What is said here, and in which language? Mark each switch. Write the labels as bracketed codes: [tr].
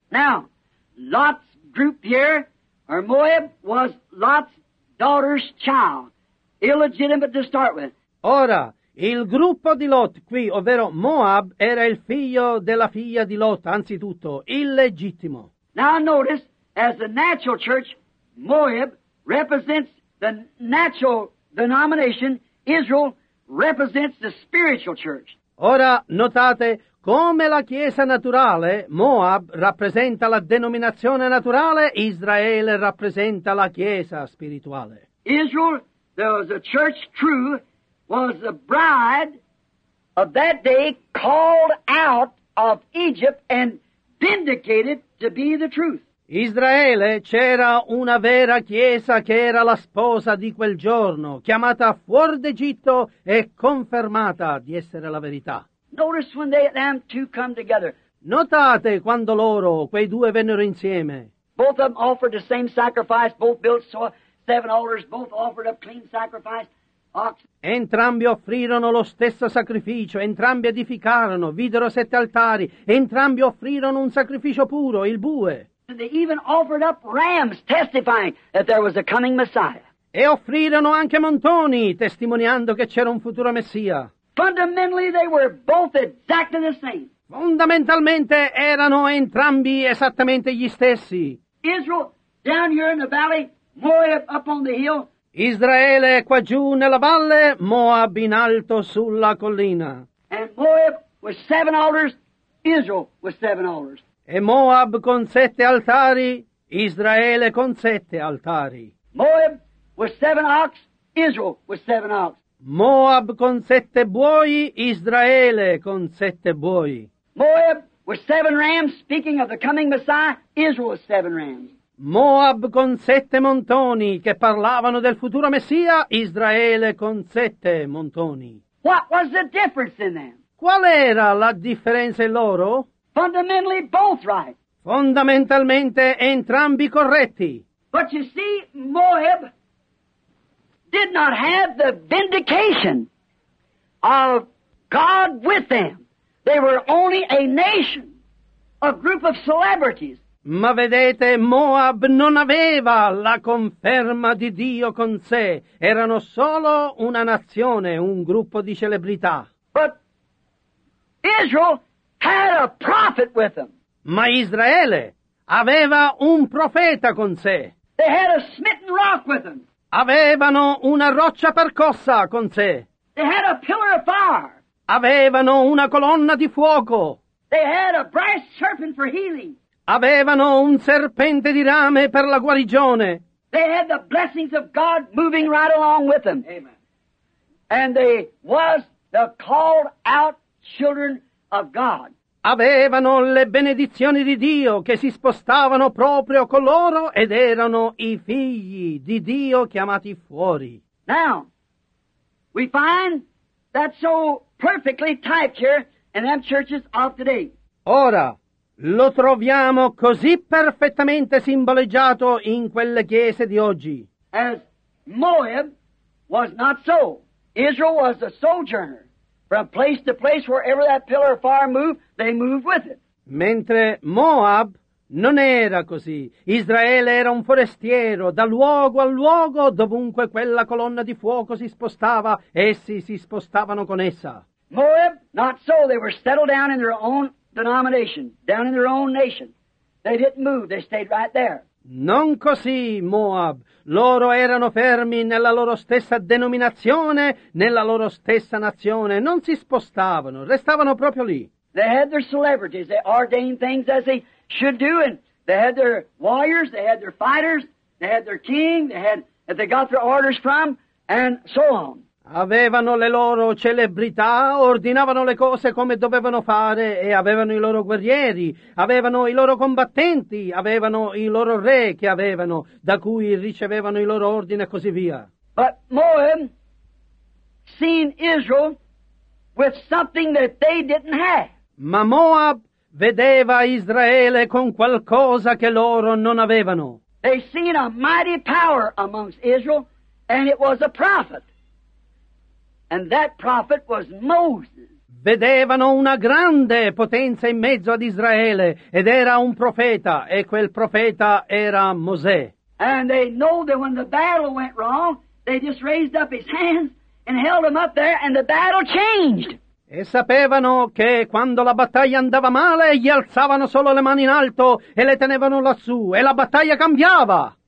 [en] Now, Lot's group here, or Moab, was Lot's daughter's child. Illegitimate to start with. [it] Ora, il gruppo di Lot qui, ovvero Moab, era il figlio della figlia di Lot, anzitutto, illegittimo. [en] Now notice, as the natural church, Moab represents the natural denomination, Israel represents the spiritual church. [it] Ora notate, come la chiesa naturale, Moab rappresenta la denominazione naturale, Israele rappresenta la chiesa spirituale. [en] Israel, there was a church true, was the bride of that day called out of Egypt and vindicated to be the truth. [it] Israele, c'era una vera chiesa che era la sposa di quel giorno, chiamata fuori d'Egitto e confermata di essere la verità. [en] Notice when they, them two come together. [it] Notate quando loro, quei due, vennero insieme. [en] Both of them offered the same sacrifice, both built seven altars, both offered up clean sacrifice. [it] Entrambi offrirono lo stesso sacrificio, entrambi edificarono, videro sette altari, entrambi offrirono un sacrificio puro, il bue. [en] They even offered up rams, testifying that there was a coming Messiah. [it] E offrirono anche montoni, testimoniando che c'era un futuro Messia. [en] Fundamentally, they were both exactly the same. [it] Fondamentalmente erano entrambi esattamente gli stessi. [en] Israel, down here in the valley, Moab up on the hill. [it] Israele qua giù nella valle, Moab in alto sulla collina. [en] And Moab with seven altars, Israel with seven altars. [it] E Moab con sette altari, Israele con sette altari. [en] Moab with seven ox, Israel with seven ox. [it] Moab con sette buoi, Israele con sette buoi. [en] Moab with seven rams, speaking of the coming Messiah, Israel with seven rams. [it] Moab con sette montoni che parlavano del futuro Messia, Israele con sette montoni. [en] What was the difference in them? [it] Qual era la differenza in loro? [en] Fundamentally both right. [it] Fondamentalmente entrambi corretti. [en] But you see, Moab did not have the vindication of God with them. They were only a nation, a group of celebrities. [it] Ma vedete, Moab non aveva la conferma di Dio con sé. Erano solo una nazione, un gruppo di celebrità. [en] But Israel had a prophet with them. [it] Ma Israele aveva un profeta con sé. [en] They had a smitten rock with them. [it] Avevano una roccia percossa con sé. [en] They had a pillar of fire. [it] Avevano una colonna di fuoco. [en] They had a brass serpent for healing. [it] Avevano un serpente di rame per la guarigione. [en] They had the blessings of God moving right along with them. Amen. And they was the called out children of God. [it] Avevano le benedizioni di Dio che si spostavano proprio con loro ed erano i figli di Dio chiamati fuori. [en] Now, we find that so perfectly typed here in them churches of today. [it] Ora, lo troviamo così perfettamente simboleggiato in quelle chiese di oggi. [en] As Moab was not so. Israel was a sojourner. From place to place, wherever that pillar of fire moved, they moved with it. [it] Mentre Moab non era così. Israele era un forestiero. Da luogo a luogo, dovunque quella colonna di fuoco si spostava, essi si spostavano con essa. [en] Moab, not so. They were settled down in their own denomination, down in their own nation. They didn't move, they stayed right there. [it] Non così, Moab. Loro erano fermi nella loro stessa denominazione, nella loro stessa nazione. Non si spostavano, restavano proprio lì. [en] They had their celebrities, they ordained things as they should do, and they had their warriors, they had their fighters, they had their king, they had that they got their orders from, and so on. [it] Avevano le loro celebrità, ordinavano le cose come dovevano fare e avevano i loro guerrieri, avevano i loro combattenti, avevano i loro re che avevano, da cui ricevevano i loro ordini e così via. [en] But Moab seen Israel with something that they didn't have. [it] Ma Moab vedeva Israele con qualcosa che loro non avevano. [en] They seen a mighty power amongst Israel and it was a prophet. And that prophet was Moses. [it] Vedevano una grande potenza in mezzo ad Israele, ed era un profeta, e quel profeta era Mosè. [en] And they know that when the battle went wrong, they just raised up his hands and held him up there, and the battle changed. [it] E sapevano che quando la battaglia andava male, gli alzavano solo le mani in alto e le tenevano lassù, e la battaglia cambiava.